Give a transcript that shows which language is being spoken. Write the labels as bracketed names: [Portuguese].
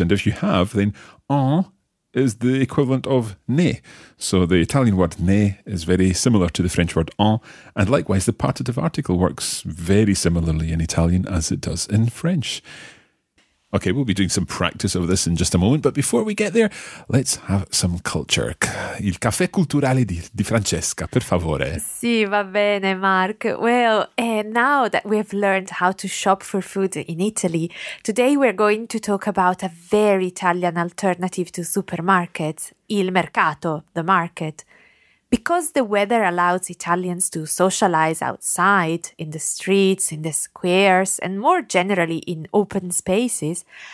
[English] And if you have, then en is the equivalent of ne. So the Italian word ne is very similar to the French word en. And likewise, the partitive article works very similarly in Italian as it does in French. Okay, we'll be doing some practice of this in just a moment. But before we get there, let's have some culture. [Italian] Il caffè culturale di Francesca, per favore. Sì, va bene, Mark. [English] Well, now that we've learned how to shop for food in Italy, today we're going to talk about a very Italian alternative to supermarkets, [Italian] il mercato, [English] the market. Because the weather allows Italians to socialize outside, in the streets, in the squares, and more generally in open spaces,